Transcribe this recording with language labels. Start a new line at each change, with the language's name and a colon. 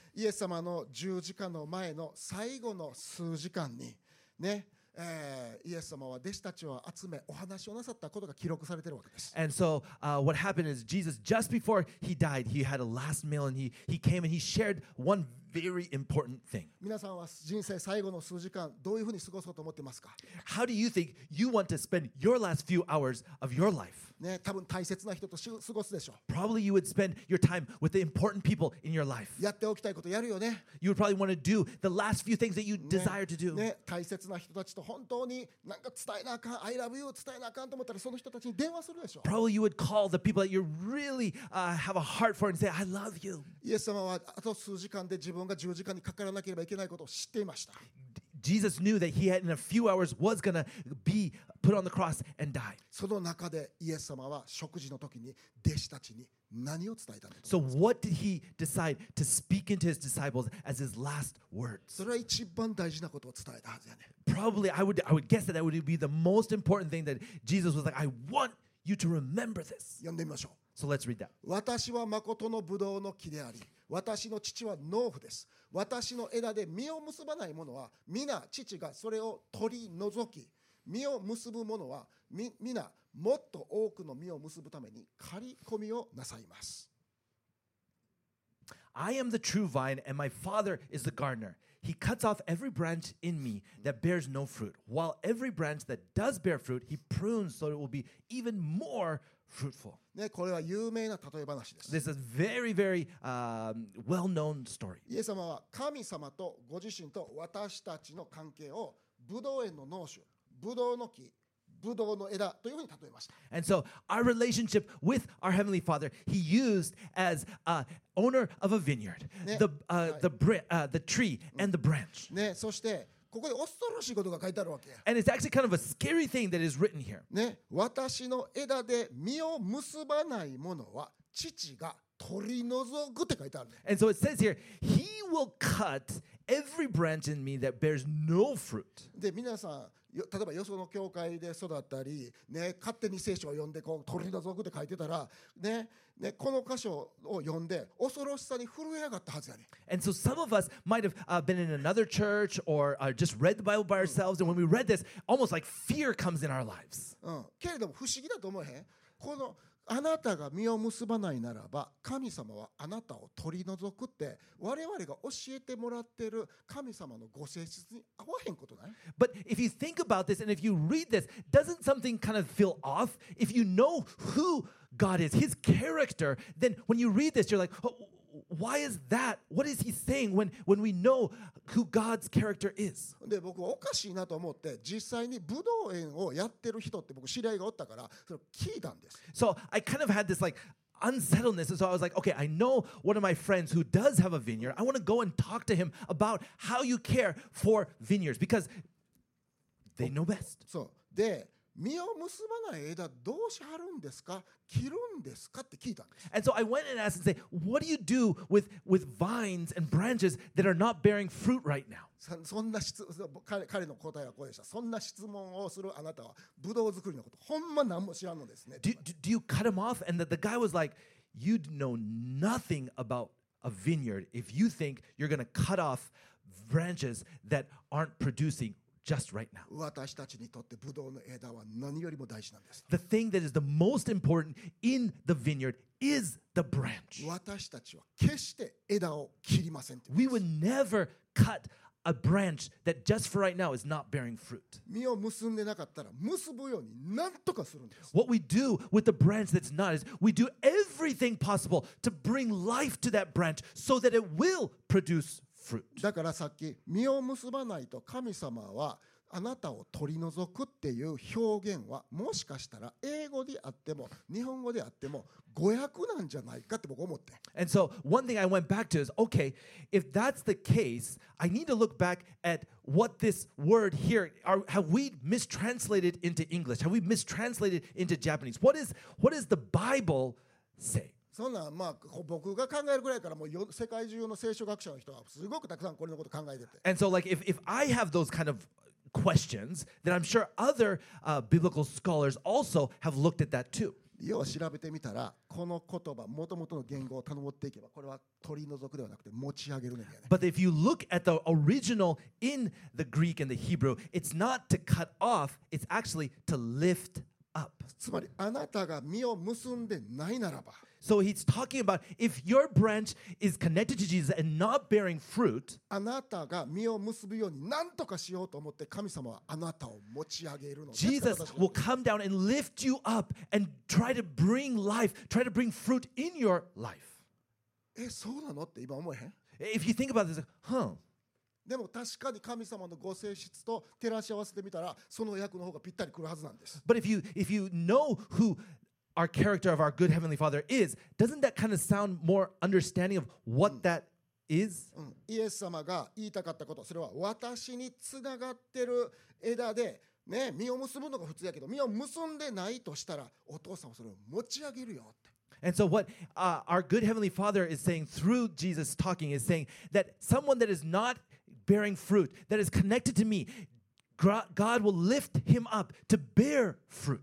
Japanese: イエス様の十字架の前の最後の数時間に、ね、イエス様は弟子たちを集めお話をなさったことが記録されているわけです。
English: And so, what happened is Jesus, just before he died, he had a last meal and he came and he shared one very important thing.
Japanese: 皆さんは人生最後の数時間どういうふうに過ごそうと思ってますか?
English: How do you think you want to spend your last few hours of your life?
Japanese: ね、多分大切な人と過ごすでしょう。
English: Probably you would spend your time with the important people in your life.
Japanese: やっておきたいことやるよね。
English: You would probably want to do the last few things that you desire to do.
Japanese: ね、大切な人たちと本当になんか伝えなあかん、
English: I love you
Japanese: 伝えなあかんと思ったらその人たちに電話するでしょう。
English: Probably you would call the people that you really have a heart for and say, I love you.
Japanese: イエス様はあと数時間で自分が十字架にかからなければいけないことを知っていました。
English: Jesus knew that he had in a few hours was going to be put on the cross and die.
Japanese: その中でイエス様は食事の時に弟子たちに何を伝えたのか。
English: So what did he decide to speak into his disciples as his last words?
Japanese: それは一番大事なことを伝えたはずやね。
English: Probably I would guess that would be the most important thing that Jesus was like, I want you to remember this.
Japanese: 読んでみましょう。
English: So let's read that.
Japanese: 私は誠のブドウの木であり、私の父は農夫です。私の枝で実を結ばないものは、皆父がそれを取り除き、実を結ぶものは、皆もっと多くの実を結ぶために刈り込みをなさいます。
English: I am the true vine, and my father is the gardener. He cuts off every branch in me that bears no fruit, while every branch that does bear fruit, he prunes so it will be even more fruitful.
Japanese: ね、これは有名な例え話です。
English: This is a very, very, well-known story.
Japanese: イエス様は神様とご自身と私たちの関係をブドウ園の農主、ブドウの木、ブドウの枝というふうに例えました。
English: And so our relationship with our heavenly Father, he used as a owner of a vineyard,、
Japanese: ね、
English: the tree and the branch.、
Japanese: ね、そしてここで恐ろしいことが書いてあるわけ。
English: And it's actually kind of a scary thing that is written here.
Japanese: ね、私の枝で実を結ばないものは父が取り除くって書いてある。
English: And so it says here, he will cut every branch in me that bears no fruit.
Japanese: で、皆さん、例えばよその教会で育ったり、ね、勝手に聖書を読んでこう取り除くって書いてたら、ねね、この箇所を読んで恐ろしさに震え上がったはずやね。
English: And so some of us might have been in another church or just read the Bible by ourselves, and when we read this, almost like fear comes in our lives.
Japanese: けれども不思議だと思うへん。このあなたが身を結ばないならば神様はあなたを取り除くって我々が教えてもらってる神様のご性質に合わへんことない？
English: But if you think about this and if you read this, doesn't something kind of feel off? If you know who God is, His character, then when you read this, you're like, why is that? What is He saying when we know who God's character is?
Japanese: で、僕はおかしいなと思って実際に武道園をやってる人って僕知り合いがおったからそれ聞いたんです。
English: So I kind of had this like unsettledness, and so I was like, okay, I know one of my friends who does have a vineyard. I want to go and talk to him about how you care for vineyards because they know best.
Japanese: そう。で、実を結ばない枝どうしはるんですか？切るんですか？って聞いたんです。
English: And so I went and asked and said, what do you do with vines and branches that are not bearing fruit right now?
Japanese: そんな質彼の答えはこうでした。そんな質問をするあなたはブドウ作りのことほんま何も知らんのですね。
English: Do you cut him off? And that the guy was like, you'd know nothing about a vineyard if you think you're going to cut off branches that aren't producing just right now.
Japanese: 私たちにとってブドウの枝は何よりも大事なんです。
English: The thing that is the most important in the vineyard is the branch.
Japanese: 私たちは決して枝を切りません。
English: We would never cut a branch that just for right now is not bearing fruit.
Japanese: 実を結んでなかったら結ぶように何とかするんです。
English: What we do with the branch that's not is we do everything possible to bring life to that branch so that it will produce fruit.
Japanese: だからさっき実を結ばないと神様はあなたを取り除くっていう表現はもしかしたら英語であっても日本語であっても語訳なんじゃないかって僕思って。
English: And so one thing I went back to is okay, if that's the case, I need to look back at what this word here have we mistranslated into English? Have we mistranslated into Japanese? What is the Bible say?
Japanese: そんなまあ僕が考えるぐらいからもう世界中の聖書学者の人はすごくたくさんこれのこと考えてて。
English: And so like if I have those kind of questions, then I'm sure other biblical scholars also have looked at that too.
Japanese: よう調べてみたらこの言葉もともとの言語をたどっていけばこれは取り除くではなくて持ち上げるんだよね。
English: But if you look at the original in the Greek and the Hebrew, it's not to cut off, it's actually to lift up.
Japanese: つまりあなたが実を結んでないならば、
English: So he's talking about if your branch is connected to Jesus and not bearing fruit,
Japanese: あなたが実を結ぶように何とかしようと思って神様はあなたを持ち上げるの。
English: Jesus will come down and lift you up and try to bring life, try to bring fruit in your life.
Japanese: え、そうなのって今思えへん。
English: If you think about this, huh?
Japanese: でも確かに神様のご性質と照らし合わせてみたらその役の方がぴったり来るはずなんです。
English: But if you know who our character of our good heavenly father is, doesn't that kind of sound more understanding of what that is?
Japanese: イエス様が言いたかったこと、それは私につながってる枝でね、実を結ぶのが普通やけど実を結んでないとしたらお父さんはそれを持ち上げるよって。
English: And so what our good heavenly father is saying through Jesus talking is saying that someone that is notbearing fruit that is connected to me, God will lift him up to bear fruit.